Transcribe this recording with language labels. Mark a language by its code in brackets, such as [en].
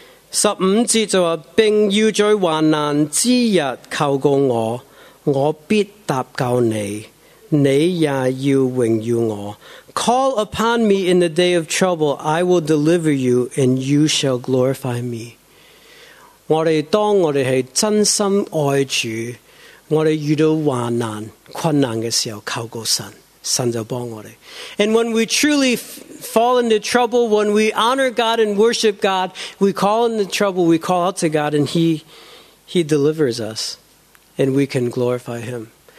[zh] 15节就话, 并要在患难之日求告我, 我必答救你, 你也要荣耀我。 [en] Call upon me in the day of trouble, I will deliver you, and you shall glorify me. [zh] 我们当我们是真心爱主, 我们遇到患难, 困难的时候, 求告神, 神就帮我们。 [en] And when we truly fall into trouble, when we honor God and worship God, we call in the trouble, we call out to God, and he delivers us, and we can glorify him.